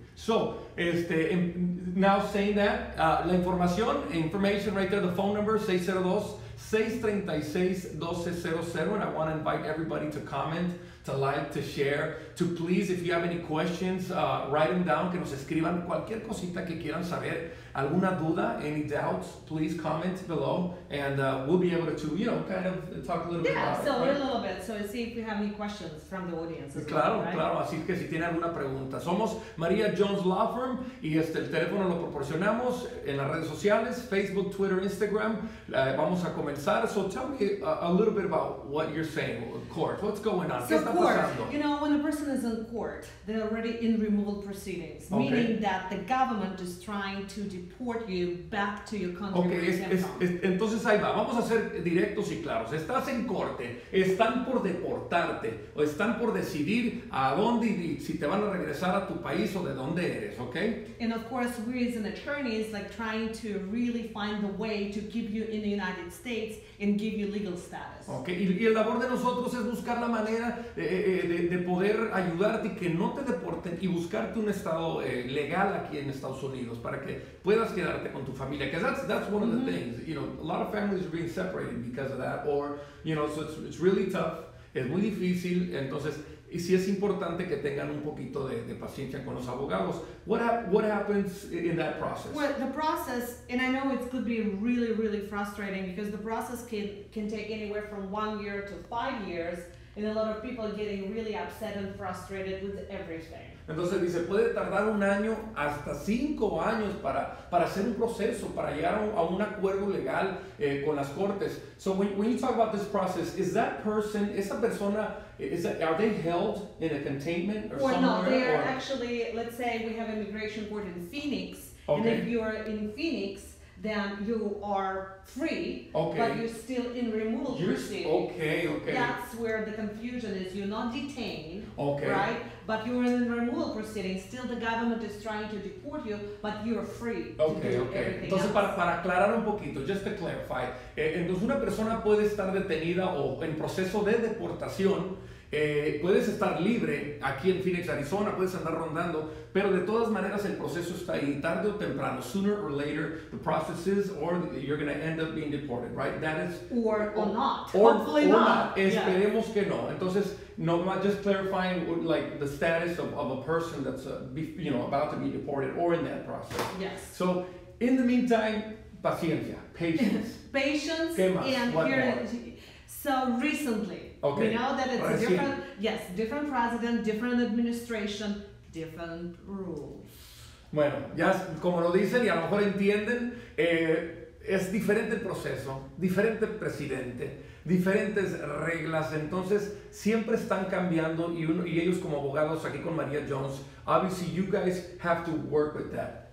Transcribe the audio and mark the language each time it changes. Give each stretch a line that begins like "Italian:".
English: So, now saying that,
Spanish: la información,
English: information right there, the phone number 602-636-1200, and I want to invite everybody to comment, to like, to share, to please, if you have any questions, write them down,
Spanish: que nos escriban cualquier cosita que quieran saber, alguna duda,
English: any doubts, please comment below, and we'll be able to, you know, kind of talk a little bit about it. Yeah, so a little bit, so see if we have any questions from the audience.
Spanish: Claro, así que si tienen alguna pregunta. Somos María Jones Law Firm, y el teléfono lo proporcionamos en las redes sociales, Facebook, Twitter, Instagram. Vamos a comenzar,
English: so tell me a little bit about what you're saying, court, what's going on? You know, when a person is in court, they're already in removal proceedings, meaning that the government is trying to deport you back to your country.
Spanish: Okay, entonces ahí va. Vamos a ser directos y claros. Estás en corte, están por deportarte, o están por decidir a dónde y si te van a regresar a tu país o de dónde eres, okay?
English: And of course, we as an attorney is like trying to really find the way to keep you in the United States and give you legal status.
Spanish: Okay, y el labor de nosotros es buscar la manera de poder ayudarte y que no te deporten y buscarte un estado legal aquí en Estados Unidos para que puedas quedarte con tu familia.
English: Because that's one of the things, you know, a lot of families are being separated because of that, or, you know, so it's really tough,
Spanish: es muy difícil. Entonces, y sí es importante que tengan un poquito de paciencia con los abogados.
English: What happens in that process? Well, the process, and I know it could be really, really frustrating because the process can take anywhere from 1 year to 5 years. And a lot of people are getting really upset and frustrated with everything.
Spanish: Entonces dice, puede tardar un año hasta 5 años para hacer un proceso, para llegar a un acuerdo legal con las cortes.
English: So when you talk about this process, is that person,
Spanish: esa persona,
English: are they held in a containment or well, somewhere? No, they are actually, let's say we have immigration court in Phoenix. Okay. And if you are in Phoenix, then you are free, but you're still in removal proceedings. That's where the confusion is. You're not detained, right? But you're in removal proceedings. Still, the government is trying to deport you, but you're free to do everything
Spanish: Entonces,
English: else.
Spanish: Para aclarar un poquito,
English: just to clarify,
Spanish: entonces una persona puede estar detenida o en proceso de deportación. Puedes estar libre aquí en Phoenix, Arizona, puedes andar rondando, pero de todas maneras el proceso está ahí, tarde o temprano,
English: sooner or later, the process is, or you're going to end up being deported, right? That is, or not.
Spanish: Esperemos que no. Entonces, no,
English: just clarifying like the status of a person that's you know, about to be deported or in that process. Yes. So, in the meantime, paciencia, patience. Patience. So, recently, we know that it's different president, different administration, different rules.
Spanish: Bueno, ya como lo dicen y a lo mejor entienden, es diferente el proceso, diferente presidente, diferentes reglas. Entonces, siempre están cambiando y ellos como abogados aquí con María Jones,
English: obviously you guys have to work with that.